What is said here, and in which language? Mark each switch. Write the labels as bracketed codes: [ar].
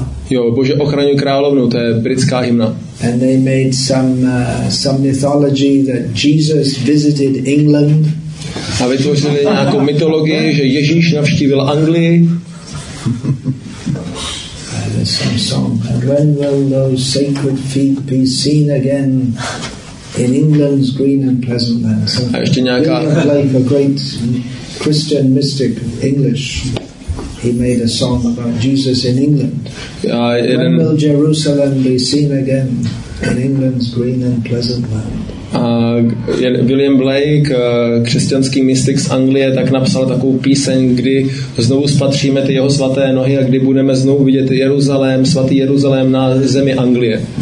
[cs] Jo, Bože ochraňuj královnu, to je britská hymna. [en] And they made some mythology that Jesus visited England. [cs] A vytvořili nějakou mytologii, že Ježíš navštívil Anglii. [en] Some song. And when will those sacred feet be seen again in England's green and pleasant land? [cs] So a ještě nějaká... [en] like a great Christian mystic English, he made a song about Jesus in England. When will Jerusalem be seen again in England's green and pleasant land? [cs] William Blake, křesťanský mystik z Anglie, tak napsal takovou píseň, kdy znovu spatříme ty jeho svaté nohy a kdy budeme znovu vidět Jeruzalém, svatý Jeruzalém na zemi Anglie.